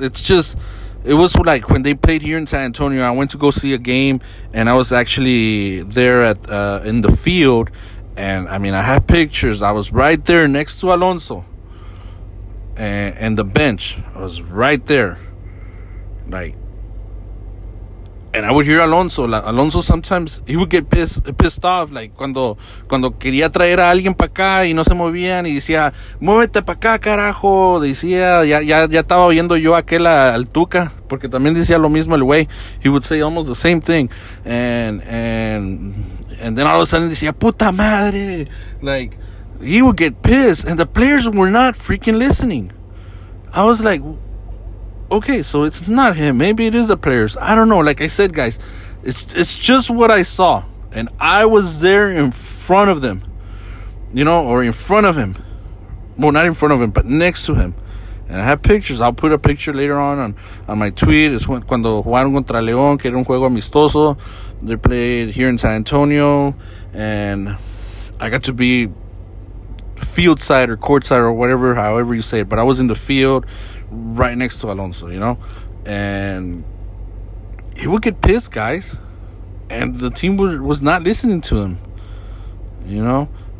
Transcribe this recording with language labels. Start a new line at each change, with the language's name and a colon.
English: It's just, it was like when they played here in San Antonio, I went to go see a game, and I was actually there at in the field. And, I mean, I have pictures. I was right there next to Alonso. And the bench, I was right there, like, and I would hear Alonso. Like, Alonso sometimes he would get pissed off, like
Spanish: cuando quería traer a alguien para acá y no se movían y decía muévete para acá carajo, decía ya estaba viendo yo aquel al Tuca, porque también decía lo mismo el güey.
English: He would say almost the same thing, and then all of a sudden
Spanish: decía puta madre,
English: like. He would get pissed, and the players were not freaking listening. I was like, okay, so it's not him. Maybe it is the players. I don't know. Like I said, guys, it's just what I saw. And I was there in front of them, you know, or in front of him. Well, not in front of him, but next to him. And I have pictures. I'll put a picture later on my tweet.
Spanish: It's cuando jugaron contra León, que era un juego amistoso.
English: They played here in San Antonio, and I got to be field side or court side or whatever, however you say it, but I was in the field right next to Alonso, you know, and he would get pissed, guys, and the team was not listening to him, you know.